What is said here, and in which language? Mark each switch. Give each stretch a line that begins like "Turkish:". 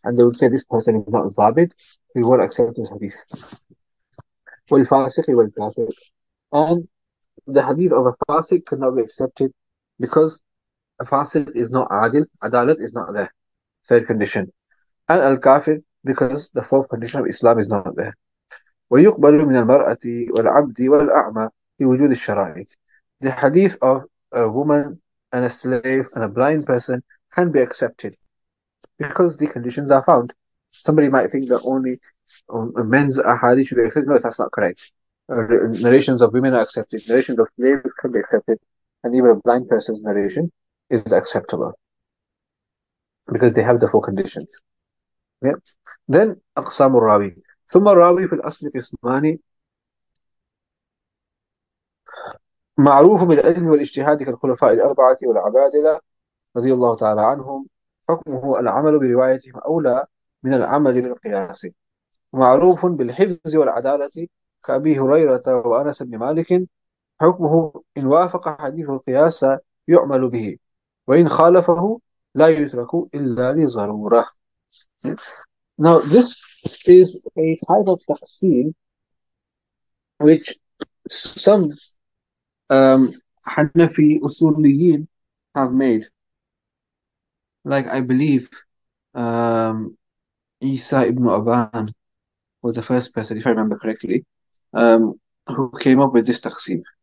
English: And they would say, this person is not zabid. We won't accept this hadith.
Arabic: والفاسق والكافر.
English: And the hadith of a fasiq cannot be accepted because a fasiq is not adil, adalat is not there, third condition. And al kafir, because the fourth condition of Islam is not there.
Arabic: ويقبل من المرأة والعبد والأعمى بوجود الشرائط.
English: The hadith of a woman and a slave and a blind person can be accepted because the conditions are found. Somebody might think that only men's ahadith should be accepted. No, that's not correct. Narrations of women are accepted. Narrations of slaves can be accepted. And even a blind person's narration is acceptable because they have the four conditions. Yeah.
Arabic: Then, أقسام الراوي. ثم الراوي في الأصل قسمان معروف بالعلم والاجتهاد كالخلفاء الأربعة والعبادلة رضي الله تعالى عنهم حكمه العمل بروايتهم أولى من العمل بالقياس. معروف بالحفظ والعدالة كأبي هريرة وأنس بن مالك حكمه إن وافق حديث القياس يعمل به وإن خالفه لا يترك إلا لضرورة.
English: Now this is a type of تقسيم which some Hanafi أصوليين have made. Like I believe Isa ibn Aban was the first person, if I remember correctly, who came up with this taqsim.